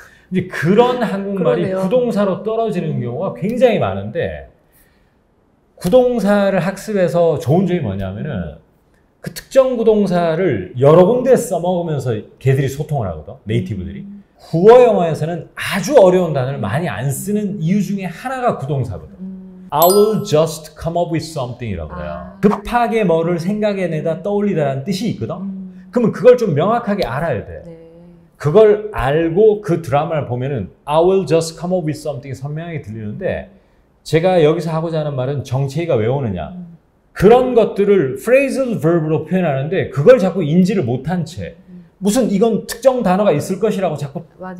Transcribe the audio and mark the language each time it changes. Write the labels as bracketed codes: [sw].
[ko] 이제 그런 한국말이 그러네요. 구동사로 떨어지는 경우가 굉장히 많은데 구동사를 학습해서 좋은 점이 뭐냐면은 그 특정 구동사를 여러 군데 써먹으면서 걔들이 소통을 하거든. 네이티브들이. 구어 영어에서는 아주 어려운 단어를 많이 안 쓰는 이유 중에 하나가 구동사거든. [en] I will just come up with something [ko] 이라고 해요. 급하게 뭐를 생각해내다 떠올리다라는 뜻이 있거든. 그러면 그걸 좀 명확하게 알아야 돼. 네. 그걸 알고 그 드라마를 보면은 [en] I will just come up with something [ko] 이 선명하게 들리는데 제가 여기서 하고자 하는 말은 정체이가 왜 오느냐. 그런 것들을 phrasal verb로 표현하는데 그걸 자꾸 인지를 못한 채 무슨 이건 특정 단어가 있을 것이라고 자꾸 맞아요.